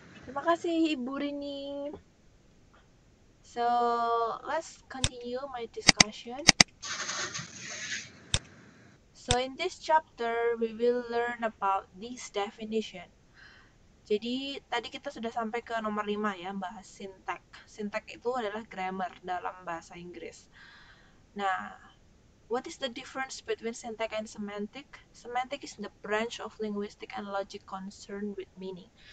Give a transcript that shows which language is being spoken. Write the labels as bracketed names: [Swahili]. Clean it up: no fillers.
[Indonesian] Terima kasih Ibu Rini. [English] So let's continue my discussion. So in this chapter we will learn about this definition. [Indonesian] Jadi tadi kita sudah sampai ke nomor 5 ya, bahas syntax. Syntax itu adalah grammar dalam bahasa Inggris. [English] Nah, what is the difference between syntax and semantic? Semantic is the branch of linguistic and logic concerned with meaning.